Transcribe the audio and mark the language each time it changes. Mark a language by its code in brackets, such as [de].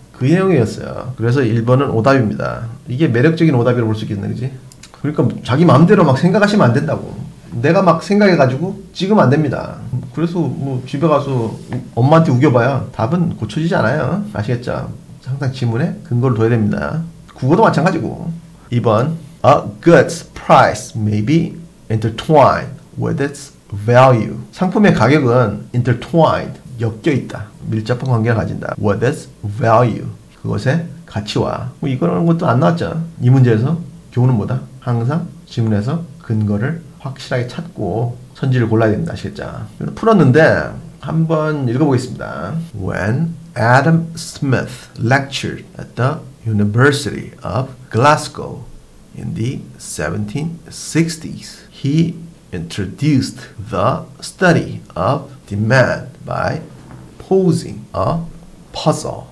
[ko] 그 내용이었어요. 그래서 1번은 오답입니다. 이게 매력적인 오답이라고 볼 수 있겠네, 그지? 그러니까 자기 마음대로 막 생각하시면 안 된다고. 내가 막 생각해가지고 찍으면 안 됩니다. 그래서 뭐 집에 가서 엄마한테 우겨봐야 답은 고쳐지지 않아요. 아시겠죠? 항상 지문에 근거를 둬야 됩니다. 국어도 마찬가지고. [en] 2번 A good price may be intertwined with its value. [ko] 상품의 가격은 intertwined, 엮여있다. 밀접한 관계를 가진다. [en] With its value, [ko] 그것의 가치와. 뭐 이거라는 것도 안 나왔죠. 이 문제에서 교훈은 뭐다? 항상 지문에서 근거를 확실하게 찾고 선지를 골라야 됩니다. 아시겠죠? 풀었는데 한번 읽어보겠습니다. [en] When Adam Smith lectured at the University of Glasgow in the 1760s, he introduced the study of demand by posing a puzzle.